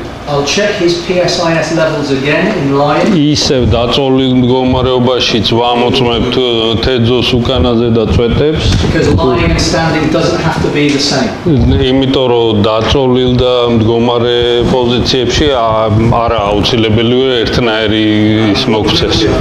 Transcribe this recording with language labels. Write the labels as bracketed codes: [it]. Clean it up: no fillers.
[en] I'll check his PSIS levels again in line. [ka] ისევ დაწოლილ მდგომარეობაში ვამოწმებ თეძოს უკანაზე და წვეტებს. [en] Lying and standing doesn't have to be the same. [ka] იმიტომ რომ დაწოლილ და მდგომარე პოზიციებში არა აუცილებელი ერთნაირი ის მოქცეს.